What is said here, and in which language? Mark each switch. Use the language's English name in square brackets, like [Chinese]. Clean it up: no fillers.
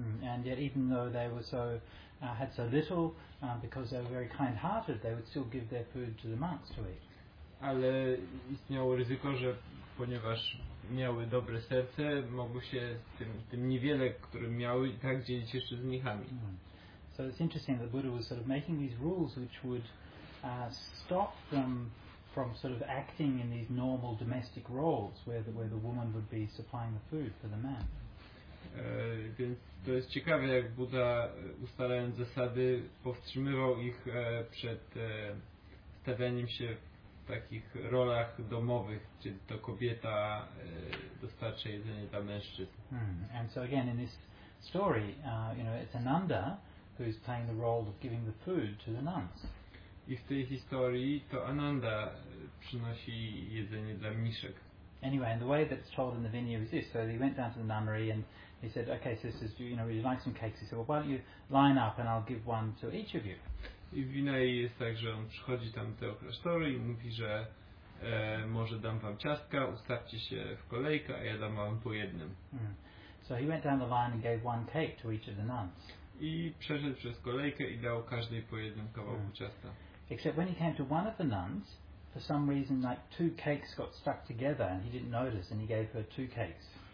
[English] And yet even though they were so had so little because they were very kind-hearted, they would still give their food to the monks to eat. [Polish] Ale istniało ryzyko, że ponieważ miały dobre serce, mogły się tym niewiele, które miały, i tak dzielić jeszcze z mnichami. Mm. [English] So it's interesting that Buddha was sort of making these rules which would stop them from sort of acting in these normal domestic roles where the woman would be supplying the food for the man. [Polish] Więc to jest ciekawe, jak Buddha, ustalając zasady, powstrzymywał ich przed stawianiem się w takich rolach domowych, czy to kobieta dostarcza jedzenie dla mężczyzn. Hmm. [English] And so again in this story, you know, it's Ananda who's playing the role of giving the food to the nuns. [Polish] I w tej historii to Ananda przynosi jedzenie dla mniszek. [English] Anyway, and the way that's told in the Vinaya is this: so he went down to the nunnery and he said, okay, sisters, do you know, would you like some cakes? He said, well, why don't you line up and I'll give one to each of you. [Polish] I w Vinaya jest tak, że on przychodzi tam do klasztoru i mówi, że może dam wam ciastka, ustawcie się w kolejkę, a ja dam wam po jednym. Mm. [English] So he went down the line and gave one cake to each of the nuns. [Polish] I przeszedł przez kolejkę i dał każdej po jednym kawałku ciasta. [English] Except when he came to one of the nuns, for some reason like two cakes got stuck together and he didn't notice and he gave her two cakes.